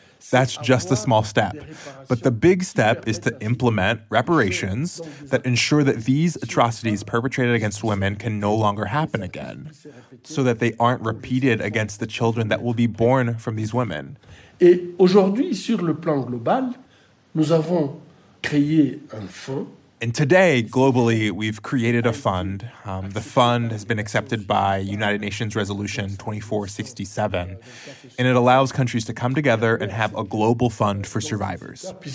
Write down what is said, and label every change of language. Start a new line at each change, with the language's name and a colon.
English: That's just a small step. But the big step is to implement reparations that ensure that these atrocities perpetrated against women can no longer happen again, so that they aren't repeated against the children that will be born from these women.
French: Et aujourd'hui, sur le plan global, nous avons créé un fonds.
English: And today, globally, we've created a fund. The fund has been accepted by United Nations Resolution 2467, and it allows countries to come together and have a global fund for survivors.